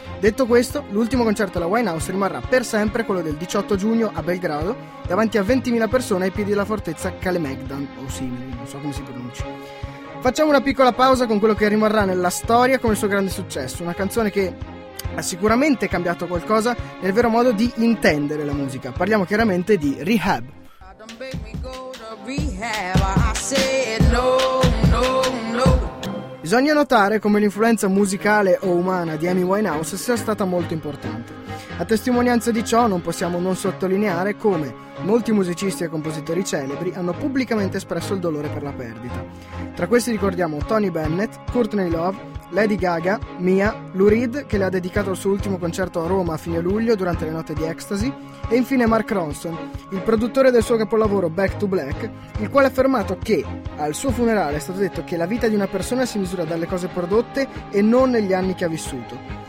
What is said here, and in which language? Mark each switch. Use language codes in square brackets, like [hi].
[it] Detto questo, l'ultimo concerto alla Winehouse rimarrà per sempre quello del 18 giugno a Belgrado davanti a 20.000 persone ai piedi della fortezza Kalemegdan o simili, non so come si pronuncia. Facciamo una piccola pausa con quello che rimarrà nella storia come il suo grande successo, una canzone che ha sicuramente cambiato qualcosa nel vero modo di intendere la musica. Parliamo chiaramente di Rehab. [en] Don't make me go to rehab, I said no, no, no. [it] Bisogna notare come l'influenza musicale o umana di Amy Winehouse sia stata molto importante. A testimonianza di ciò non possiamo non sottolineare come molti musicisti e compositori celebri hanno pubblicamente espresso il dolore per la perdita. Tra questi ricordiamo Tony Bennett, Courtney Love, Lady Gaga, Mia, Lou Reed, che le ha dedicato il suo ultimo concerto a Roma a fine luglio durante le note di Ecstasy, e infine Mark Ronson, il produttore del suo capolavoro Back to Black, il quale ha affermato che al suo funerale è stato detto che la vita di una persona si misura dalle cose prodotte e non negli anni che ha vissuto.